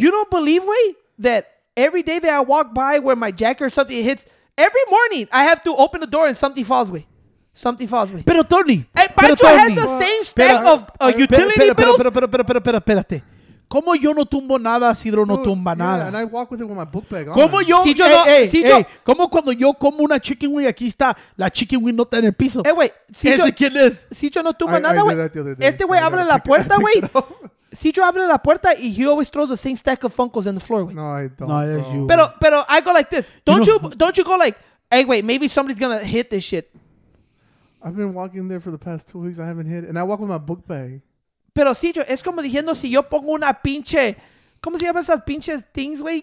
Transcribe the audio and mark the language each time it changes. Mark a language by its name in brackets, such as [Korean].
[English] You don't believe, güey, that every day that I walk by where my jacket or something it hits, every morning I have to open the door and something falls, güey. Something falls, güey. [Spanish] Pero, Tony. [English] And Pancho has the same stack of utility bills. [Spanish] Pero, espérate. ¿Cómo yo no tumbo nada si Cidro no tumba nada? [English] Yeah, and I walk with it with my book bag on. [Spanish] ¿Cómo yo? ¿Cómo cuando yo como una chicken wing, aquí está, la chicken wing no está en el piso? [English] Hey, wait. [Spanish] ¿Ese quién es? Cidro no tumba nada, güey. Este güey abre la puerta, güey. Cidro abre la puerta y [English] he always throws the same stack of Funkos in the floor, [Spanish] güey. [English] No, I don't. No, that's you. [Spanish] Pero [English] I go like this. Don't you go like, hey, wait, maybe somebody's going to hit this shit. I've been walking there for the past 2 weeks. I haven't hit it. And I walk with my book bag. [Spanish] Pero sí, yo, es como diciendo, si yo pongo una pinche, ¿cómo se llaman esas pinches things, güey?